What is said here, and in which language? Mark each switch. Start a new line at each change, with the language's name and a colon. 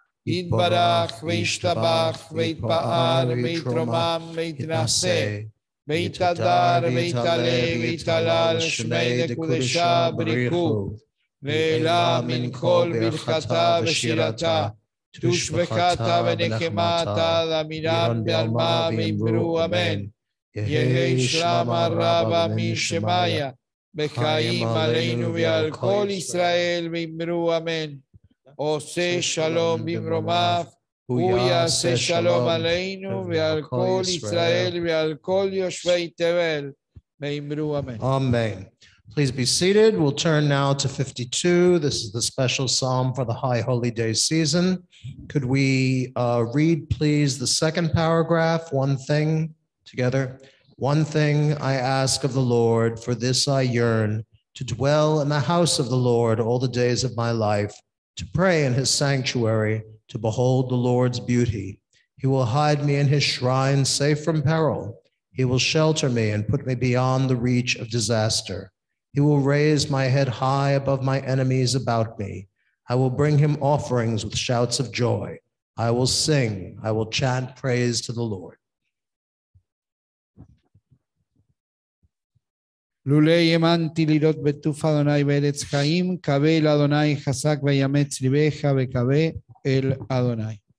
Aramaic: יתברך וישתבח ויתפאר ויתרומם ויתנשא ויתהדר ויתעלה ויתהלל שמי דקודשה בריכו ואלה מן כל ברכתה ושירתה תושבחתה ונקמתה למינם בעלמה ואמרו אמן יהי שלמה רבה משמיה בחיים עלינו ועל כל ישראל ואמרו אמן
Hebrew: עושה שלום במרומיו, הוא יעשה שלום עלינו ועל כל ישראל ועל כל יושבי תבל. ואמרו אמן.
English: אמן. Please be seated. We'll turn now to 52. This is the special psalm for the High Holy Day season. Could we read, please, the second paragraph, one thing together? One thing I ask of the Lord, for this I yearn, to dwell in the house of the Lord all the days of my life. To pray in his sanctuary, to behold the Lord's beauty. He will hide me in his shrine, safe from peril. He will shelter me and put me beyond the reach of disaster. He will raise my head high above my enemies about me. I will bring him offerings with shouts of joy. I will sing, I will chant praise to the Lord.
Hebrew: לולי האמנתי לראות בטוב אדוני בארץ חיים, קווה אל אדוני חזק ויאמץ ליבך וקווה אל אדוני.